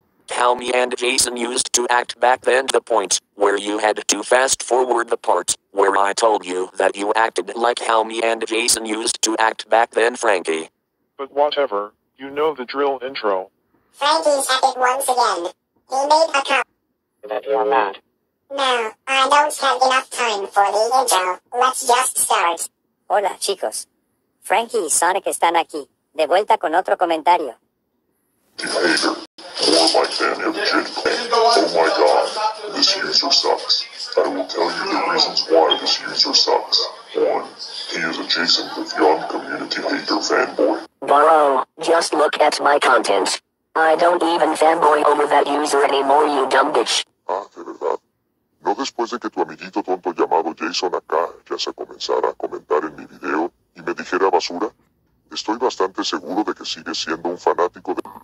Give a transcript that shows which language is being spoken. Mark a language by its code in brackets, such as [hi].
[en] How me and Jason used to act back then, the point where you had to fast forward the part where I told you that you acted like how me and Jason used to act back then, Frankie. But whatever, you know the drill intro. Frankie said it once again. He made a That you're mad. No, I don't have enough time for the intro. Let's just start. [es] Hola, chicos. Frankie y Sonic están aquí, de vuelta con otro comentario. [en] Hey, my fan kid. Oh my god, this user sucks. I will tell you the reasons why this user sucks. One, he is adjacent with young community hater fanboy. Bro, just look at my content. I don't even fanboy over that user anymore, you dumb bitch. [es] Ah, de verdad. No después de que tu amiguito tonto llamado Jason acá ya se comenzara a comentar en mi video y me dijera basura, estoy bastante seguro de que sigue siendo un fanático de...